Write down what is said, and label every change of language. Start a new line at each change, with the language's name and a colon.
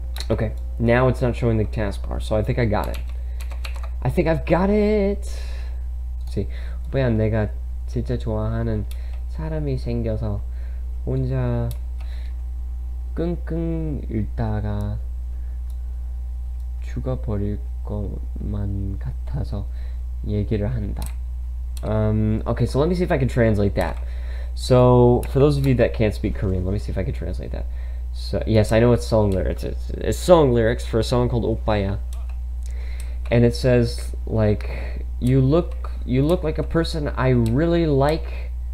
English: Okay, now it's not showing the taskbar, so I think I got it. I think I've got it!
Korean: See, 왜 안 내가 진짜 좋아하는 사람이 생겨서 혼자 끙끙 읽다가 죽어버릴 것만 같아서 얘기를 한다.
English: Okay, so let me see if I can translate that. So, for those of you that can't speak Korean, let me see if I can translate that. So, yes, I know it's song lyrics. It's song lyrics for a song called Opaya. And it says, like, you look like a person I really like.